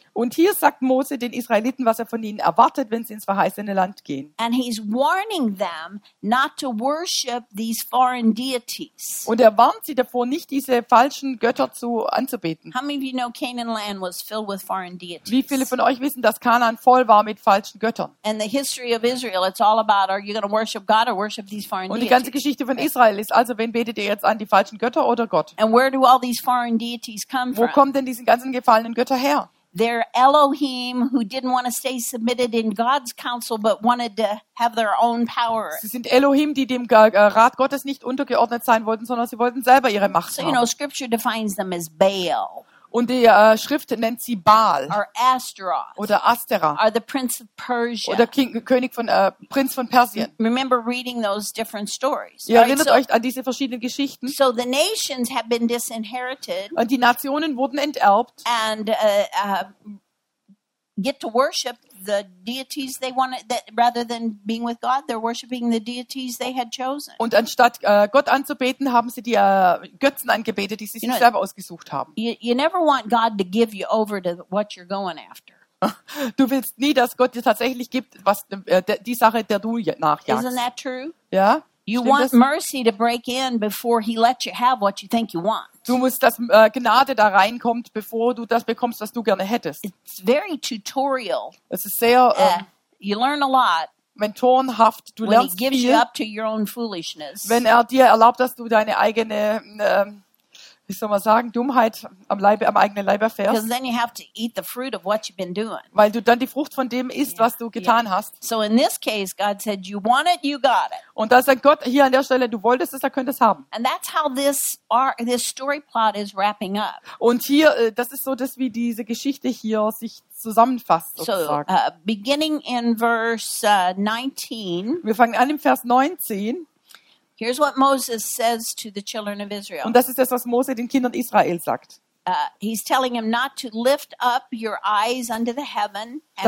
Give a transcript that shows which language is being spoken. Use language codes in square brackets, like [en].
[de] Und hier sagt Mose den Israeliten, was er von ihnen erwartet, wenn sie ins verheißene Land gehen. [en] And he's warning them not to worship these foreign deities. [de] Und er warnt sie davor, nicht diese falschen Götter anzubeten. [en] How many of you know Canaan land was filled with foreign deities? [de] Wie viele von euch wissen, dass Kanaan voll war mit falschen Göttern? [en] And the history of Israel, it's all about, are you going to worship God or worship these foreign deities? [de] Und die ganze Geschichte von Israel ist also, wen betet ihr jetzt an, die falschen Götter oder Gott? [en] And where do all these foreign deities come from? [de] Wo kommen denn diese ganzen gefallenen Götter her? [en] Their Elohim, who didn't want to stay submitted in God's counsel, but wanted to have their own power. [de] Sie sind Elohim, die dem Rat Gottes nicht untergeordnet sein wollten, sondern sie wollten selber ihre Macht haben. [en] So, you know, Scripture defines them as Baal. [de] Und die Schrift nennt sie Baal. [en] Or Astaroth. [de] Oder Astera. [en] Or the Prince of Persia. [de] Oder König von Prinz von Persien. [en] Remember reading those different stories. [de] Ihr erinnert euch an diese verschiedenen Geschichten. [en] So the nations have been disinherited. [de] Und die Nationen wurden enterbt. [en] And get to worship the deities they wanted, that rather than being with God, they're worshiping the deities they had chosen. [de] Und anstatt Gott anzubeten, haben sie die Götzen angebetet, die sie sich selber ausgesucht haben. [en] You never want God to give you over to what you're going after. [de] Du willst nie, dass Gott dir tatsächlich gibt, was die Sache, der du nachjagst. [en] Isn't that true? [de] Ja. [en] You want mercy to break in before he lets you have what you think you want. [de] Du musst, dass Gnade da reinkommt, bevor du das bekommst, was du gerne hättest. [en] It's very tutorial. [de] Es ist sehr [en] you learn a lot. [de] Mentorenhaft, du lernst viel. [en] He gives you up to your own foolishness. [de] Wenn er dir erlaubt, dass du deine eigene wie soll man sagen, Dummheit am eigenen Leib erfährst. [en] Because then you have to eat the fruit of what you've been doing. [de] Weil du dann die Frucht von dem isst, was du getan hast. [en] So in this case, God said, you want it, you got it. [de] Und da sagt Gott hier an der Stelle, du wolltest es, dann könntest du es haben. [en] And that's how this story plot is wrapping up. [de] Und hier, das ist so, dass wie diese Geschichte hier sich zusammenfasst, sozusagen. [en] So, beginning in verse 19. [de] Wir fangen an im Vers 19. [en] Here's what Moses says to the children of Israel. [de] Und das ist das, was Mose den Kindern Israel sagt. [en] He's telling him not to lift up your eyes unto the heaven.